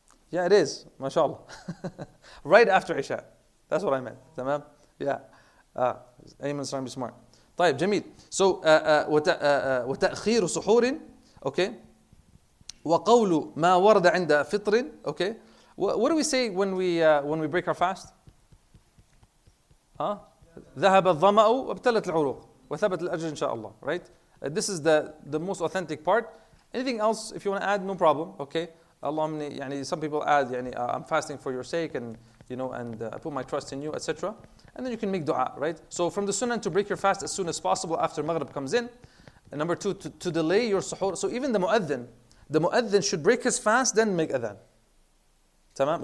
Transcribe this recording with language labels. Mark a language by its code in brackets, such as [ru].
[en] Yeah, it is. MashaAllah. Right after Isha. That's what I meant. Tamam? Yeah. Ayman's trying to be smart. [ar] طيب جميل. [en] So [ar] وتأخير سحور, [en] okay. [ar] وقول ما ورد عند فطر, okay. [en] What do we say when we break our fast? [ar] ذهب الظمأ وابتلت العروق وثبت الأجر إن شاء الله, right? [en] This is the most authentic part. Anything else? If you want to add, no problem. Okay. Allah, some people add, I'm fasting for your sake, and I put my trust in you, etc. And then you can make dua, right? So from the sunnah to break your fast as soon as possible after Maghrib comes in. And number two, to delay your suhoor. So even the muadhin should break his fast, then make adhan. Tamam?